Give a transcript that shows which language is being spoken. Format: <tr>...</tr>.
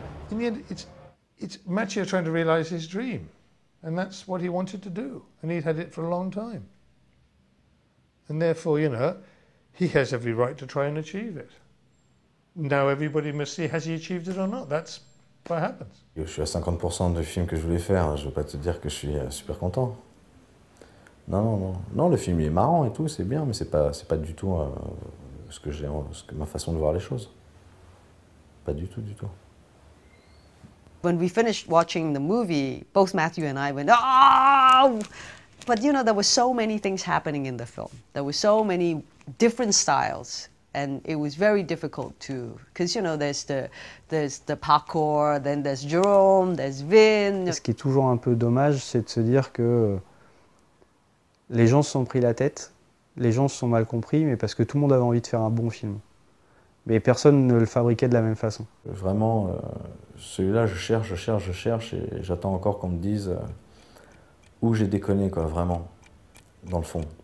<en>In the end, it's Mathieu trying to realize his dream. And that's what he wanted to do. And he'd had it for a long time. And therefore, you know, he has every right to try and achieve it. Now everybody must see, has he achieved it or not? That's what happens.</en> <fr>Je suis à 50% du film que je voulais faire. Je ne veux pas te dire que je suis super content. Non, non, non. Non, le film, il est marrant et tout, c'est bien, mais c'est pas du tout ma façon de voir les choses. Pas du tout, du tout.</fr> <en>When we finished watching the movie, both Mathieu and I went, oh! But you know, there were so many things happening in the film. There were so many different styles, and it was very difficult to, because you know, there's the parkour, then there's Jerome, there's Vin.</en> <fr>Ce qui est toujours un peu dommage, c'est de se dire que les gens se sont pris la tête, les gens se sont mal compris, mais parce que tout le monde avait envie de faire un bon film. Mais personne ne le fabriquait de la même façon. Vraiment, celui-là, je cherche, et j'attends encore qu'on me dise où j'ai déconné, quoi, vraiment, dans le fond.</fr>